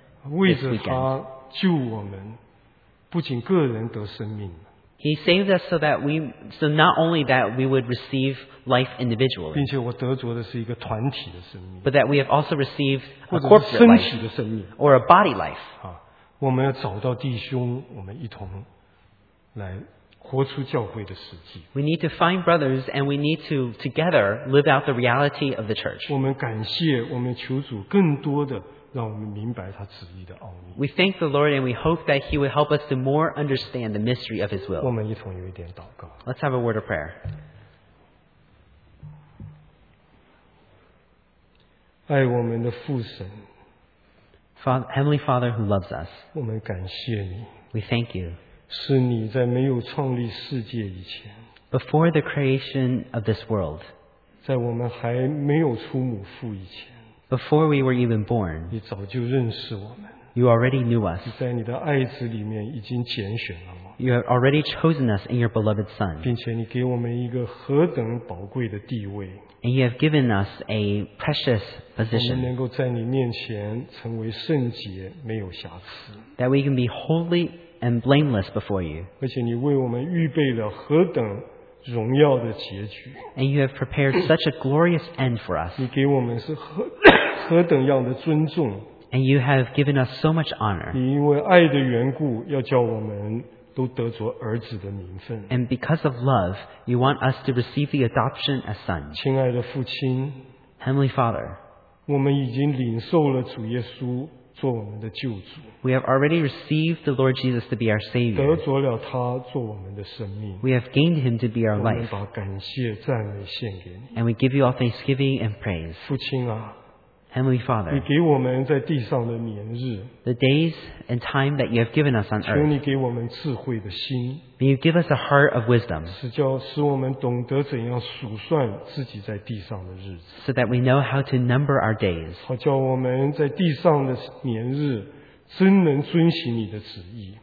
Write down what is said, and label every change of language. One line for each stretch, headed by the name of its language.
Chinese: 为着他救我们，不仅个人得生命。
English: He saved us so not only that we would receive life individually,
Chinese: 并且我得着的是一个团体的生命,
English: but that we have also received a corporate life or a body life.
Chinese: 啊，我们要找到弟兄，我们一同来活出教会的实际。
English: We need to find brothers and we need to together live out the reality of the church.
Chinese: 我们感谢，我们求主更多的让我们明白他旨意的奥秘。
English: We thank the Lord and we hope that He will help us to more understand the mystery of His will.
Chinese: 我们一同有一点祷告。
English: Let's have a word of prayer.
Chinese: 爱我们的父神
English: Heavenly Father who loves us.
Chinese: 我们感谢你。
English: We thank you.
Chinese: 是你在没有创立世界以前
English: Before the creation of this world.
Chinese: 在我们还没有出母腹以前
English: Before we were even born,
Chinese: 你早就认识我们。
English: You already knew us.
Chinese: 你在你的爱子里面已经拣选了我。
English: You have already chosen us in your beloved Son.
Chinese: 并且你给我们一个何等宝贵的地位。
English: And you have given us a precious position.
Chinese: 我们能够在你面前成为圣洁，没有瑕疵。
English: That we can be holy and blameless before you.
Chinese: 而且你为我们预备了何等荣耀的结局。
English: And you have prepared such a glorious end for us.
Chinese: 你给我们是何等样的尊重。
English: And you have given us so much honor.
Chinese: 你因为爱的缘故要叫我们都得着儿子的名分。
English: And because of love, you want us to receive the adoption as sons.
Chinese: 亲爱的父亲。
English: Heavenly Father.
Chinese: 我们已经领受了主耶稣做我们的救主。
English: We have already received the Lord Jesus to be our Savior.
Chinese: 得着了他做我们的生命。
English: We have gained him to be our life.
Chinese: 我们把感谢赞美献给你。
English: And we give you all thanksgiving and praise.
Chinese: 父亲啊。
English: Heavenly Father,
Chinese: 你给我们在地上的年日,
English: the days and time that you have given us on earth,
Chinese: 求你给我们智慧的心,
English: may you give us a heart of wisdom,
Chinese: 使我们懂得怎样数算自己在地上的日子,
English: so that we know how to number our days,
Chinese: 好叫我们在地上的年日真能遵行你的旨意,